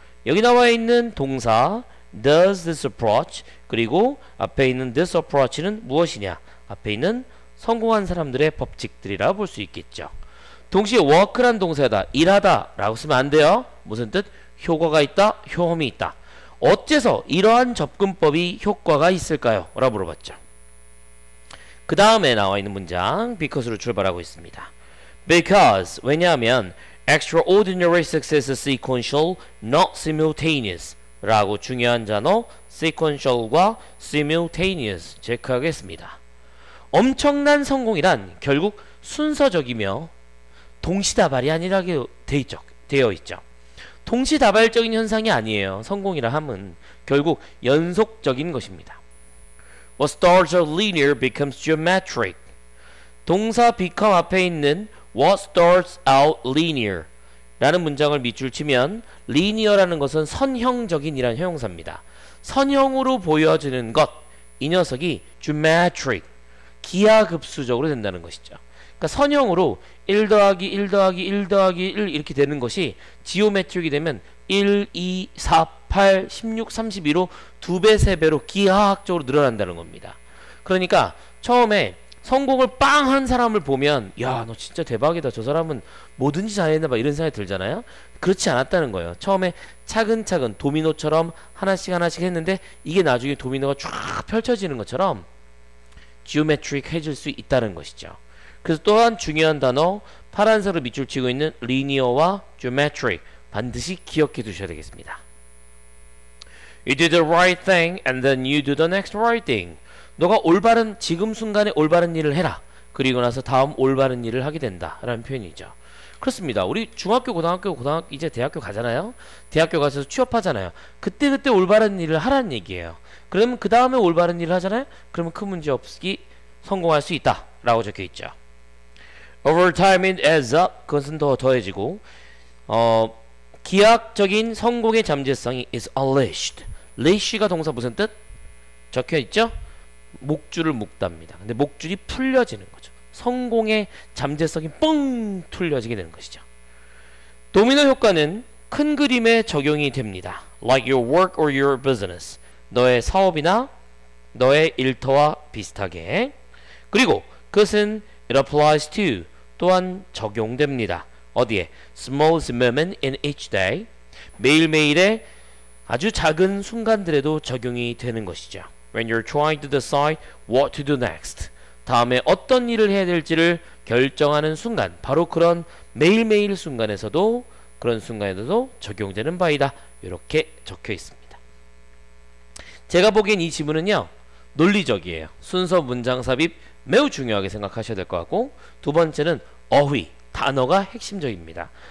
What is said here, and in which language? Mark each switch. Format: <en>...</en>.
<ko>여기 나와 있는 동사</ko> <en>does this approach</en> <ko>그리고 앞에 있는 this approach는 무엇이냐 앞에 있는 성공한 사람들의 법칙들이라 볼 수 있겠죠. 동시에 work란 동사에다 일하다 라고 쓰면 안 돼요. 무슨 뜻? 효과가 있다 효험이 있다. 어째서 이러한 접근법이 효과가 있을까요? 라고 물어봤죠. 그 다음에 나와 있는 문장 because로 출발하고 있습니다. because 왜냐하면</ko> <en>extraordinary success is sequential not simultaneous</en> <ko>라고 중요한 단어 sequential과 simultaneous 체크하겠습니다. 엄청난 성공이란 결국 순서적이며 동시다발이 아니라고 되어 있죠. 동시다발적인 현상이 아니에요. 성공이라 함은 결국 연속적인 것입니다.</ko> <en>What starts are linear becomes geometric.</en> <ko>동사 become 앞에 있는</ko> <en>what starts out linear</en> <ko>라는 문장을 밑줄 치면 linear라는 것은 선형적인 이란 형용사입니다. 선형으로 보여지는 것 이 녀석이 geometric 기하급수적으로 된다는 것이죠. 그러니까 선형으로 1 더하기 1 더하기 1 더하기 1 이렇게 되는 것이 geometric이 되면 1, 2, 4, 8, 16, 32로 두 배, 세 배로 기하학적으로 늘어난다는 겁니다. 그러니까 처음에 성공을 빵 한 사람을 보면 야 너 진짜 대박이다 저 사람은 뭐든지 잘했나 봐 이런 생각이 들잖아요. 그렇지 않았다는 거예요. 처음에 차근차근 도미노처럼 하나씩 하나씩 했는데 이게 나중에 도미노가 쫙 펼쳐지는 것처럼 geometric 해줄 수 있다는 것이죠. 그래서 또한 중요한 단어 파란색으로 밑줄 치고 있는 linear와 geometric 반드시 기억해 두셔야 되겠습니다.</ko> <en>You do the right thing and then you do the next right thing.</en> <ko>너가 올바른 지금 순간에 올바른 일을 해라 그리고 나서 다음 올바른 일을 하게 된다 라는 표현이죠. 그렇습니다. 우리 중학교, 고등학교, 고등학교 이제 대학교 가잖아요. 대학교 가서 취업하잖아요. 그때그때 올바른 일을 하라는 얘기예요. 그러면 그 다음에 올바른 일을 하잖아요. 그러면 큰 문제 없이 성공할 수 있다라고 적혀 있죠.</ko> <en>Over time it adds up.</en> <ko>그것은 더 더해지고 기하학적인 성공의 잠재성이</ko> <en>is unleashed.</en> <ko>leash가 동사 무슨 뜻? 적혀 있죠? 목줄을 묶답니다. 근데 목줄이 풀려지는 거죠. 성공의 잠재성이 뻥 틀려지게 되는 것이죠. 도미노 효과는 큰 그림에 적용이 됩니다.</ko> <en>Like your work or your business.</en> <ko>너의 사업이나 너의 일터와 비슷하게. 그리고 그것은</ko> <en>it applies to</en> <ko>또한 적용됩니다. 어디에?</ko> <en>Smallest moment in each day.</en> <ko>매일매일의 아주 작은 순간들에도 적용이 되는 것이죠.</ko> <en>When you're trying to decide what to do next.</en> <ko>다음에 어떤 일을 해야 될지를 결정하는 순간, 바로 그런 매일매일 순간에서도 그런 순간에도 적용되는 바이다. 이렇게 적혀 있습니다. 제가 보기엔 이 지문은요, 논리적이에요. 순서 문장 삽입 매우 중요하게 생각하셔야 될것 같고, 두 번째는 어휘, 단어가 핵심적입니다.</ko>